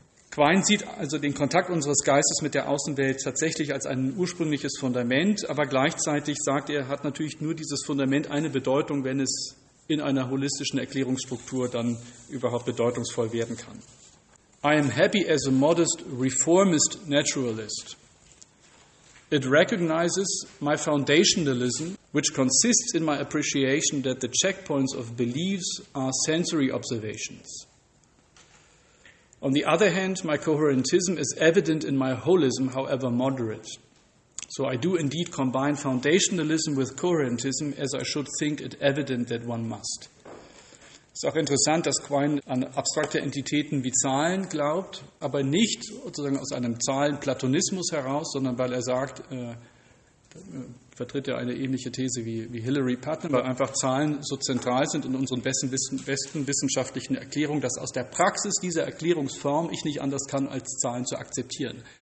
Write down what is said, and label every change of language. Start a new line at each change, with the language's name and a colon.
German: Quine sieht also den Kontakt unseres Geistes mit der Außenwelt tatsächlich als ein ursprüngliches Fundament, aber gleichzeitig sagt er, hat natürlich nur dieses Fundament eine Bedeutung, wenn es in einer holistischen Erklärungsstruktur dann überhaupt bedeutungsvoll werden kann.
English: I am happy as a modest reformist naturalist. It recognizes my foundationalism, which consists in my appreciation that the checkpoints of beliefs are sensory observations. On the other hand, my coherentism is evident in my holism, however moderate. So I do indeed combine foundationalism with coherentism, as I should think it evident that one must.
German: Es ist auch interessant, dass Quine an abstrakte Entitäten wie Zahlen glaubt, aber nicht sozusagen aus einem Zahlenplatonismus heraus, sondern weil er sagt, vertritt er eine ähnliche These wie Hilary Putnam, weil einfach Zahlen so zentral sind in unseren besten wissenschaftlichen Erklärungen, dass aus der Praxis dieser Erklärungsform ich nicht anders kann, als Zahlen zu akzeptieren.